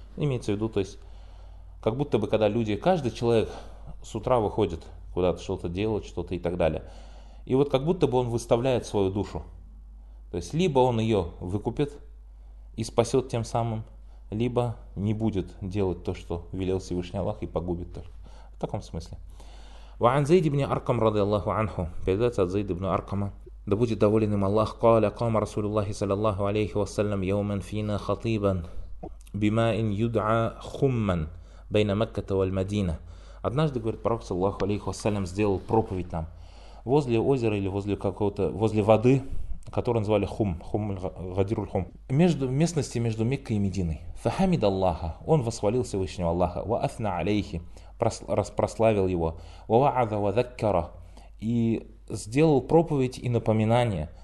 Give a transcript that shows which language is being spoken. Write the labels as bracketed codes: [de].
[ru] Имеется в виду, то есть, как будто бы, когда люди, каждый человек с утра выходит куда-то что-то делать, что-то и так далее. И вот как будто бы он выставляет свою душу. То есть, либо он ее выкупит и спасет тем самым, либо не будет делать то, что велел Всевышний Аллах, и погубит только. В таком смысле. [ar] وعن زيد بن أرقم رضي الله عنه بذات زيد بن أرقم [ru] да будет доволен им Аллах. [ar] قال قام رسول الله صلى الله عليه وسلم يوما فينا خطيبا بما إن يدعى خما بين مكة والمدينة. [ru] Однажды, говорит пророк, саллаллаху алейхи вассалям, сделал проповедь нам возле озера или возле какого-то, возле воды, которую называли Хум, Хум, Гадируль Хум, между местности между Меккой и Мединой. [ar] «Фахамид Аллаха», [ru] он восхвалил Всевышнего Аллаха, [ar] «Ва афна алейхи», [ru] прославил его, [ar] «Ва ваада ва заккара», [ru] и сделал проповедь и напоминание.